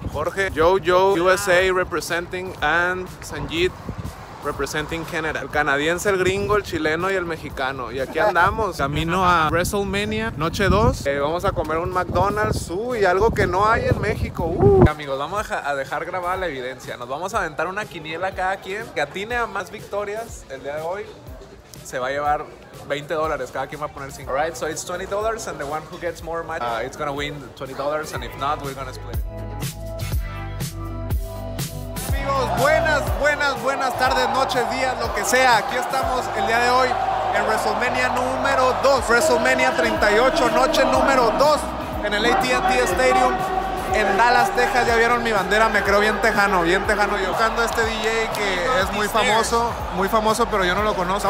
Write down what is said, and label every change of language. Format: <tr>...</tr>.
<en>Jorge, Jojo, USA representing, and Sanjit representing Canada.</en> <es>El canadiense, el gringo, el chileno y el mexicano. Y aquí andamos. Camino a WrestleMania, noche 2. Vamos a comer un McDonald's, y algo que no hay en México. Amigos, vamos a dejar grabada la evidencia. Nos vamos a aventar una quiniela cada quien. Que atine a más victorias el día de hoy, se va a llevar $20, cada quien va a poner 5.</es> <en>Alright, so it's $20 and the one who gets more money, it's gonna win $20, and if not, we're gonna split.</en> <es>Amigos, buenas, buenas, buenas tardes, noches, días, lo que sea. Aquí estamos el día de hoy en WrestleMania número 2. WrestleMania 38, noche número 2 en el AT&T Stadium en Dallas, Texas. Ya vieron mi bandera, me creo bien tejano yo. Tocando este DJ que es muy famoso, pero yo no lo conozco.</es>